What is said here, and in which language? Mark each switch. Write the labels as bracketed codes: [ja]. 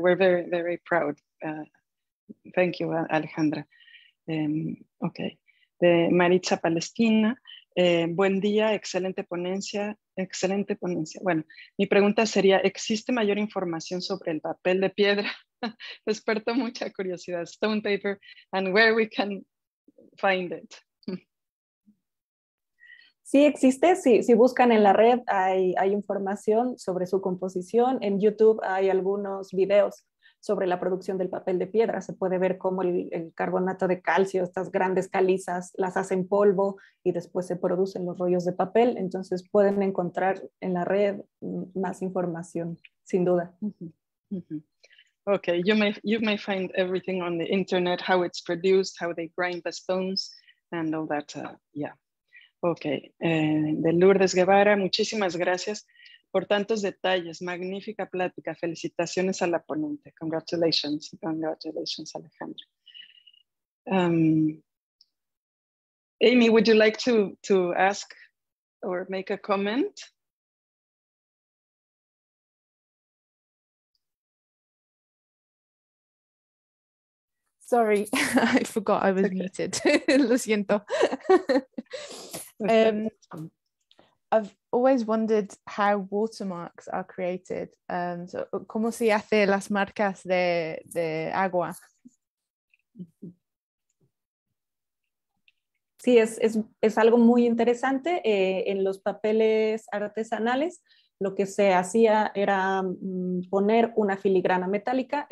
[en] We're very, very proud. Thank you, Alejandra. Okay. [es] De Maritza Palestina. Buen día, excelente ponencia. Bueno, mi pregunta sería, ¿existe mayor información sobre el papel de piedra? Despertó mucha curiosidad. [en] Stone paper and where we can find it. [es] Sí, existe. Si buscan en la red, hay información sobre su composición. En YouTube hay algunos videos sobre la producción del papel de piedra. Se puede ver cómo el carbonato de calcio, estas grandes calizas, las hacen polvo y después se producen los rollos de papel. Entonces pueden encontrar en la red más información, sin duda. [en] Ok, you may find everything on the internet, how it's produced, how they grind the stones and all that. [es] Ok, de Lourdes Guevara, muchísimas gracias por tantos detalles, magnífica plática. Felicitaciones a la ponente. [en] Congratulations, Alejandra. Amy, would you like to ask or make a comment? Sorry, I forgot I was muted. [es] Lo siento. [en] I've always wondered how watermarks are created. [es] So, ¿cómo se hace las marcas de agua? Sí, es algo muy interesante. En los papeles artesanales, lo que se hacía era poner una filigrana metálica.